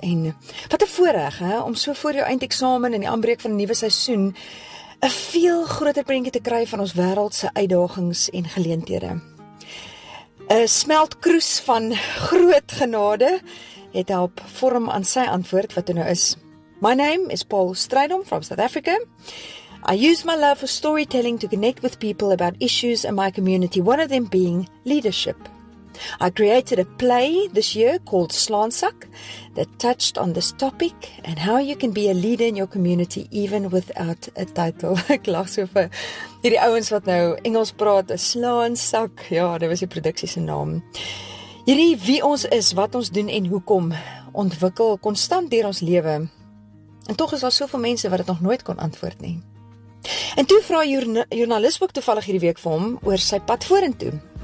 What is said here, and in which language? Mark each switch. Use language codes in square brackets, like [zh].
[af] En wat 'n voorreg, hè, om so voor jou eindeksamen en die aanbreek van 'n nuwe seisoen 'n veel groter prentjie te kry van ons wêreld se uitdagings en geleenthede. 'n Smeltkroes van groot genade het help vorm aan sy antwoord wat nou is: [en] my name is Paul Strydom from South Africa. I use my love for storytelling to connect with people about issues in my community, one of them being leadership. I created a play this year called Slaansak that touched on this topic and how you can be a leader in your community even without a title. [af] Ek lag so vir hierdie ouens wat nou Engels praat, Slaansak. Ja, dit was die produksie se naam. Hierdie wie ons is, wat ons doen en hoekom ontwikkel konstant deur ons lewe. En tog is daar soveel mense wat dit nog nooit kon antwoord nie. En toe vra joernalis ook toevallig hierdie week vir hom oor sy pad vorentoe.